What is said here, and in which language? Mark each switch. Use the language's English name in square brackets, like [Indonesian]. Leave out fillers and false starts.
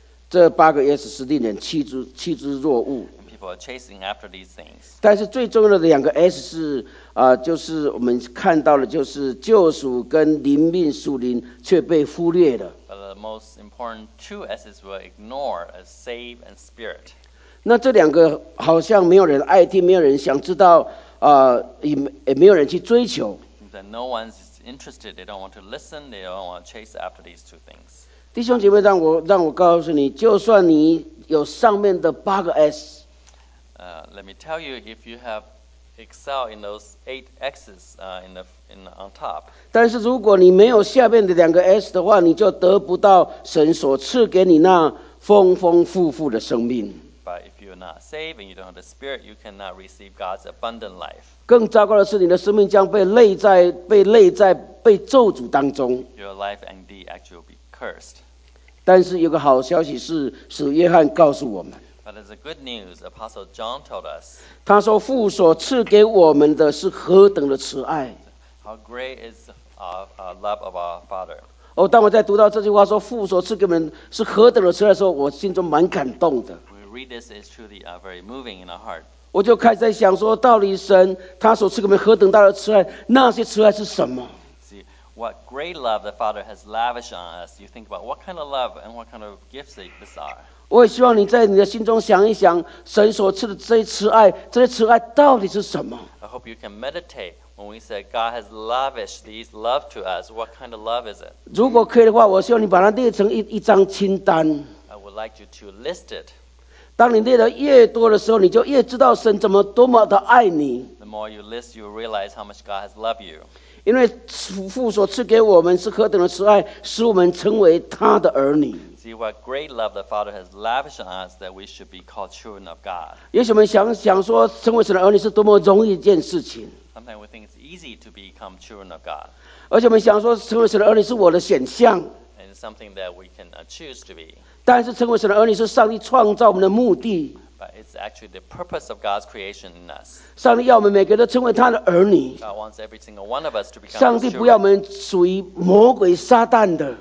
[Chinese] 这八个 S 是令人趋之若鹜。 [English] And people are chasing after these things. [Chinese] 但是最重要的两个 S 是就是我们看到的，就是救赎跟灵命属灵却被忽略了。 [English] The most important two S's were ignore, as save and spirit. [Chinese] 那这两个好像没有人爱听，没有人想知道，也没有人去追求。 [English] Then no one's interested. They don't want to listen. They don't want to chase after these two things. [Chinese] 弟兄姐妹，让我告诉你，就算你有上面的八个 S. [English] Let me tell you, if you have excelled in those eight X's, on top. [Chinese] 但是如果你没有下面的两个 S 的话，你就得不到神所赐给你那丰丰富富的生命。 [English] But if you're not saved and you don't have the Spirit, you cannot receive God's abundant life. [Chinese] 更糟糕的是，你的生命将被累在被咒诅当中。 [English] Your life indeed actually will be cursed. [Chinese] 但是有个好消息是，使约翰告诉我们。 [English] But there's a good news. Apostle John told us. [Chinese] 他说父所赐给我们的是何等的慈爱。 [English] How great is our love of our Father? [Chinese] 当我在读到这句话说父所赐给我们是何等的慈爱的时候，我心中蛮感动的。 [English] We read this is truly very moving in our heart. [Chinese] 我就开始在想说，到底神他所赐给我们何等大的慈爱，那些慈爱是什么？ [English] See what great love the Father has lavished on us. You think about what kind of love and what kind of gifts these are. [Chinese] 我也希望你在你的心中想一想，神所赐的这些慈爱，这些慈爱到底是什么？ [English] I hope you can meditate. When we say God has lavished these love to us, what kind of love is it? [Chinese] 如果可以的话，我希望你把它列成一张清单。 [English] I would like you to list it. [Chinese] 当你列的越多的时候，你就越知道神怎么多么的爱你。 [English] The more you list, you realize how much God has loved you. [Chinese] 因为父所赐给我们是何等的慈爱，使我们成为他的儿女。 [English] See what great love the Father has lavished on us that we should be called children of God. [Chinese] 也许我们想说，成为神的儿女是多么容易一件事情。 [English] Sometimes we think it's easy to become children of God. [Chinese] 而且我们想说，成为神的儿女是我的选项。 [English] And it's something that we can choose to be. [Chinese] 但是成为神的儿女是上帝创造我们的目的。 [English] But it's actually the purpose of God's creation in us. [Chinese] 上帝要我们每个人都成为他的儿女。 [English] God wants every single one of us to become. [Chinese] 上帝不要我们属于魔鬼撒旦的。